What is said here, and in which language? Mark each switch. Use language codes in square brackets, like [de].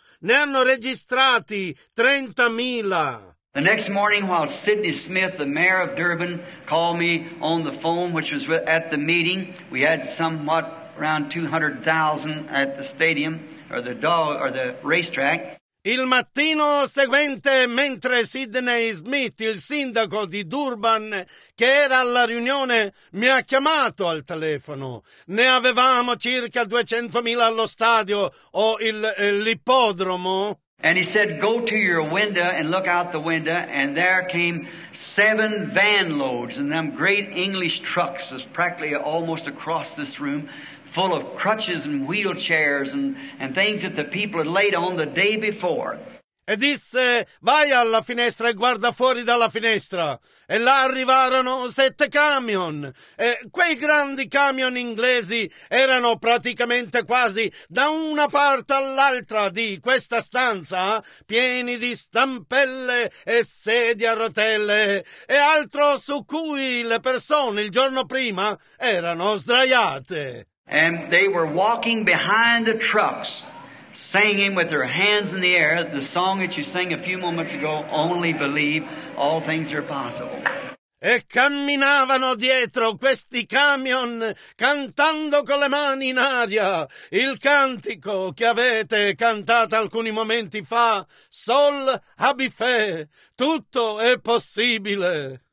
[it] Ne hanno registrati 30,000. [en] The next morning, while Sidney Smith, the mayor of Durban, called me on the phone, which was at the meeting, we had somewhat around 200,000 at the stadium or the racetrack. [it] Il mattino seguente, mentre Sidney Smith, il sindaco di Durban, che era alla riunione, mi ha chiamato al telefono, ne avevamo circa 200,000 allo stadio o l'ippodromo. [en] And he said, go to your window and look out the window, and there came 7 van loads, and them great English trucks was practically almost across this room, full of crutches and wheelchairs and things that the people had laid on the day before. [it] E disse, vai alla finestra e guarda fuori dalla finestra. E là arrivarono 7 camion. E quei grandi camion inglesi erano praticamente quasi da una parte all'altra di questa stanza, pieni di stampelle e sedie a rotelle e altro su cui le persone il giorno prima erano sdraiate. [en] And they were walking behind the trucks, singing with their hands in the air, the song that you sang a few moments ago, Only Believe, All Things Are Possible. [it] E camminavano dietro questi camion, cantando con le mani in aria il cantico che avete cantato alcuni momenti fa, Sol Habife, tutto è possibile.